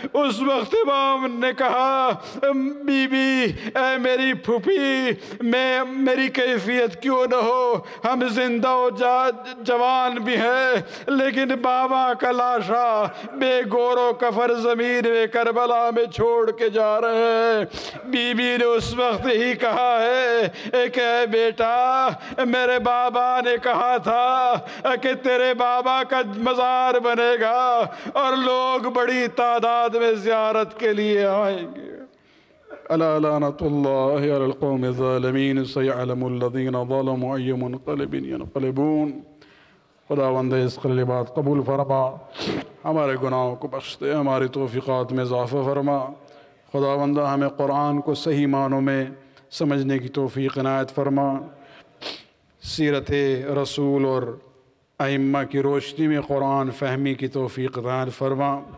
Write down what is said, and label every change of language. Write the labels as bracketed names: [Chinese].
[Urdu] اس وقت امام نے کہا, بی بی اے میری پھوپھی, میں میری کیفیت کیوں نہ ہو, ہم زندہ و جوان بھی ہیں, لیکن بابا کا لاشا بے گور و کفر زمین میں کربلا میں چھوڑ کے جا رہے ہیں. ہے. بی بی نے اس وقت ہی کہا ہے کہ اے بیٹا میرے بابا نے کہا تھا کہ تیرے بابا کا مزار بنے گا اور لوگ بڑی تعداد میں زیارت کے لیے آئیں گے. [Arabic] الا لعنة الله على القوم الظالمين سيعلم الذين ظلموا اي منقلب ينقلبون. [Urdu] خداوند اس خلی بات قبول فرما, ہمارے گناہوں کو بخش دے, ہماری توفیقات میں اضافہ فرما. خداوند ہمیں قرآن کو صحیح معنوں میں سمجھنے کی توفیق عنایت فرما, سیرت رسول اور ائمہ کی روشنی میں قرآن فہمی کی توفیق عنایت فرما.